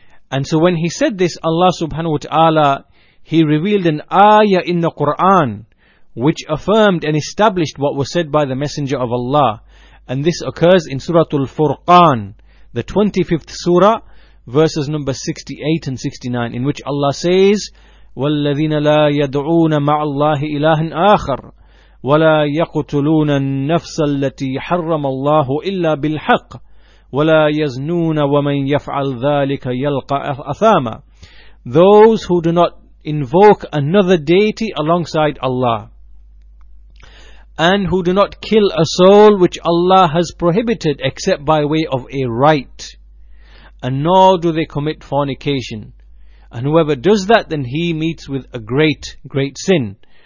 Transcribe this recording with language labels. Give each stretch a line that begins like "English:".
English: And so when he said this, Allah subhanahu wa ta'ala, he revealed an ayah in the Quran which affirmed and established what was said by the Messenger of Allah. And this occurs in Surah Al-Furqan, the 25th surah, verses number 68 and 69, in which Allah says,
Arabic: وَالَّذِينَ لَا يَدْعُونَ مَعَ اللَّهِ إِلَهًا آخَرٍ وَلَا يَقْتُلُونَ النَّفْسَ الَّتِي حَرَّمَ اللَّهُ إِلَّا بِالْحَقِّ وَلَا يَزْنُونَ وَمَنْ يَفْعَلْ ذَلِكَ يَلْقَ أَثَامًا.
English: Those who do not invoke another deity alongside Allah, and who do not kill a soul which Allah has prohibited except by way of a right, and nor do they commit fornication, and whoever does that, then he meets with a great, great sin.